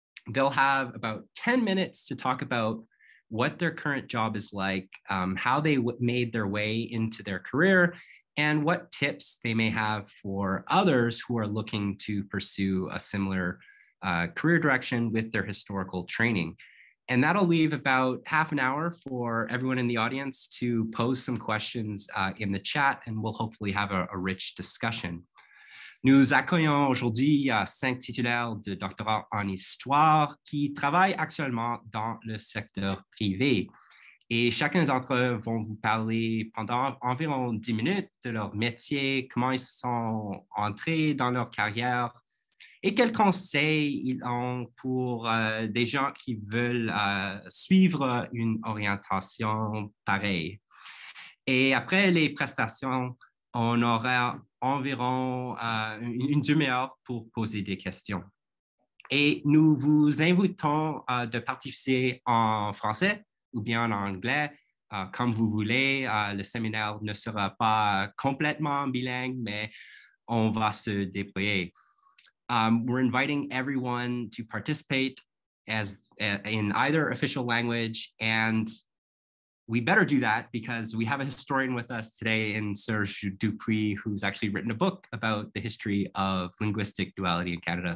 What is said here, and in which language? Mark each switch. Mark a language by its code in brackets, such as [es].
[en] They'll have about 10 minutes to talk about what their current job is like, how they made their way into their career, and what tips they may have for others who are looking to pursue a similar career direction with their historical training. And that'll leave about half an hour for everyone in the audience to pose some questions in the chat, and we'll hopefully have a rich discussion. [fr] Nous accueillons aujourd'hui cinq titulaires de doctorat en histoire qui travaillent actuellement dans le secteur privé. Et chacun d'entre eux vont vous parler pendant environ 10 minutes de leur métier, comment ils sont entrés dans leur carrière et quels conseils ils ont pour des gens qui veulent suivre une orientation pareille. Et après les prestations, on aura environ une demi-heure pour poser des questions. Et nous vous invitons de participer en français ou bien en anglais, comme vous voulez. Le séminaire ne sera pas complètement bilingue, mais on va se déployer. [en] We're inviting everyone to participate as in either official language, and we better do that because we have a historian with us today in Serge Dupuis, who's actually written a book about the history of linguistic duality in Canada.